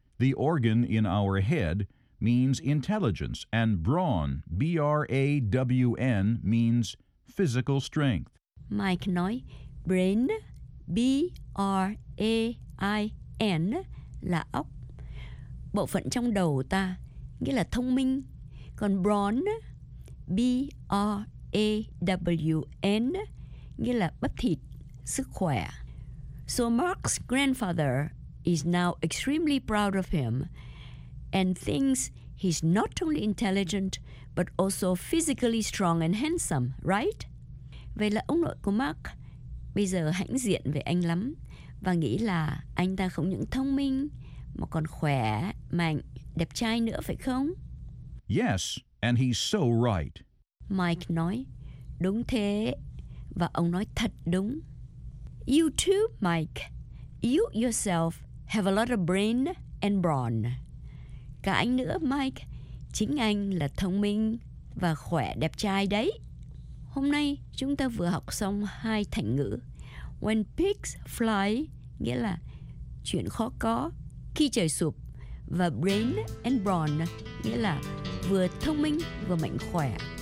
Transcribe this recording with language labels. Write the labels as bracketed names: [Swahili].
[English] The organ in our head means intelligence, and brawn, B-R-A-W-N, means physical strength. [Vietnamese] Mike nói, brain, B-R-A-I-N, là óc, bộ phận trong đầu ta, nghĩa là thông minh. Còn brawn, B-R-A-W-N, nghĩa là bắp thịt, sức khỏe. [English] So Mark's grandfather is now extremely proud of him and thinks he's not only intelligent but also physically strong and handsome, right? [Vietnamese] Vậy là ông nội của Mark bây giờ hãnh diện về anh lắm và nghĩ là anh ta không những thông minh mà còn khỏe, mạnh, đẹp trai nữa phải không? [English] Yes, and he's so right. [Vietnamese] Mike nói, đúng thế, và ông nói thật đúng. [English] You too, Mike. You yourself have a lot of brain and brawn. [Vietnamese] Cả anh nữa, Mike. Chính anh là thông minh và khỏe đẹp trai đấy. Hôm nay, chúng ta vừa học xong hai thành ngữ. [English] When pigs fly, [Vietnamese] nghĩa là chuyện khó có, khi trời sụp. Và [English] brain and brawn, [Vietnamese] nghĩa là vừa thông minh vừa mạnh khỏe.